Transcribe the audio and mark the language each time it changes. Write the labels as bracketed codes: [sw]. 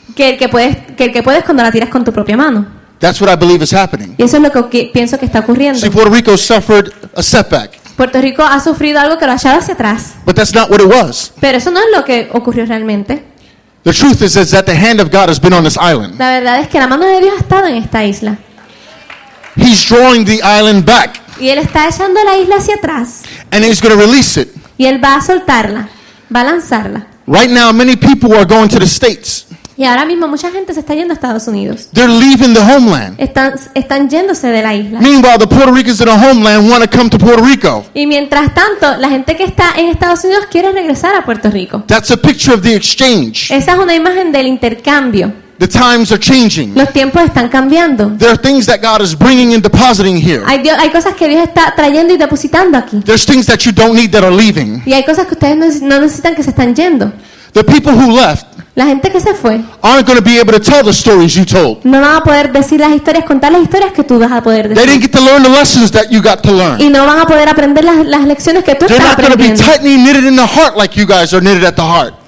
[es] Que puedes cuando la tiras con tu propia mano. [en] That's what I believe is happening. [es] Y eso es lo que pienso que está ocurriendo. [en] See, Puerto Rico suffered a setback. [es] Puerto Rico ha sufrido algo que lo ha echado hacia atrás. [en] But that's not what it was. [es] Pero eso no es lo que ocurrió realmente. [en] The truth is that the hand of God has been on this island. [es] La verdad es que la mano de Dios ha estado en esta isla. [en] He's drawing the island back. [es] Y él está echando la isla hacia atrás. [en] And he's going to release it. [es] Y él va a soltarla, va a lanzarla. [en] Right now, many people are going to the States. [es] Y ahora mismo mucha gente se está yendo a Estados Unidos. [en] They're leaving the homeland. [es] Están yéndose de la isla. [en] Meanwhile, the Puerto Ricans in the homeland want to come to Puerto Rico. [es] Y mientras tanto, la gente que está en Estados Unidos quiere regresar a Puerto Rico. [en] That's a picture of the exchange. [es] Esa es una imagen del intercambio. [en] The times are changing. [es] Los tiempos están cambiando. [en] There are things that God is bringing and depositing here. [es] Hay cosas que Dios está trayendo y depositando aquí. [en] There's things that you don't need that are leaving. [es] Y hay cosas que ustedes no necesitan que se están yendo. [en] The people who left. [es] La gente que se fue [en] aren't going to be able to tell the stories you told. [es] No van a poder decir las historias, contar las historias que tú vas a poder decir. [en] They didn't get to learn the lessons that you got to learn. [es] Y no van a poder aprender las lecciones que tú estás aprendiendo. [en] They're not going to be tightly knitted in the heart like you guys are knitted at the heart.